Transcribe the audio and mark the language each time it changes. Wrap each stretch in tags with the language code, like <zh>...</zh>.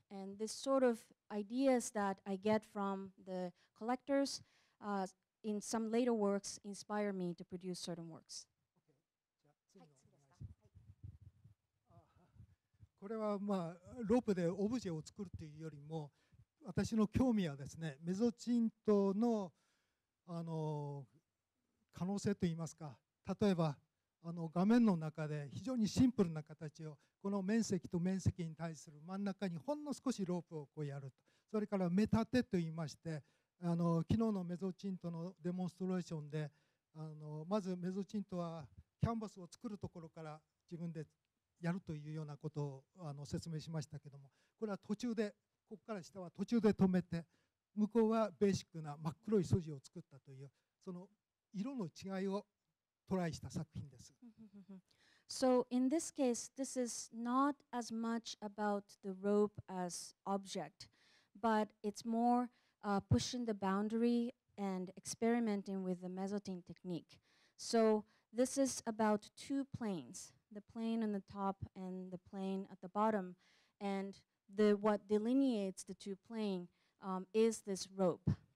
<en>And this sort of ideas that I get from the collectors, in some later works, inspire me to produce certain works. Okay.</en> <ja>これはまあロープでオブジェを作るというよりも私の興味はですねメゾチントの可能性といいますか例えば画面の中で非常にシンプルな形をこの面積と面積に対する真ん中にほんの少しロープをこうやるとそれから目立てといいまして昨日のメゾチントのデモンストレーションでまずメゾチントはキャンバスを作るところから自分でやるというようなことを説明しましたけどもこれは途中でここから下は途中で止めて向こうはベーシックな真っ黒い素地を作ったというその色の違いをトライした作品です。</ja> <en>So in this case, this is not as much about the rope as object, but it's more pushing the boundary and experimenting with the mezzotint technique. So this is about two planes, the plane on the top and the plane at the bottom, and the what delineates the two plane is this rope.</en>